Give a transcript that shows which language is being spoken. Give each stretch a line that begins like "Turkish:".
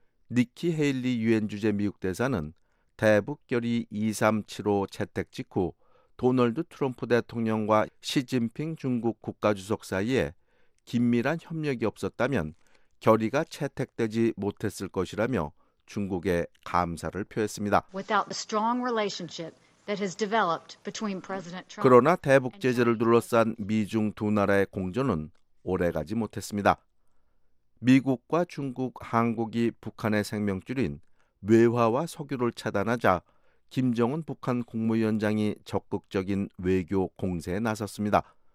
Korean: 니키 헤일리 유엔 주재 미국 대사는 대북 결의 237호 채택 직후 도널드 트럼프 대통령과 시진핑 중국 국가주석 사이에 긴밀한 협력이 없었다면 결의가 채택되지 못했을 것이라며 중국에 감사를 표했습니다.
English: Without the strong relationship that has developed between President Trump.
Korean: 그러나 대북 제재를 둘러싼 미중 두 나라의 공조는 오래가지 못했습니다. 미국과 중국, 한국이 북한의 생명줄인 외화와 석유를 차단하자 김정은 북한 국무위원장이 적극적인 외교 공세에 나섰습니다.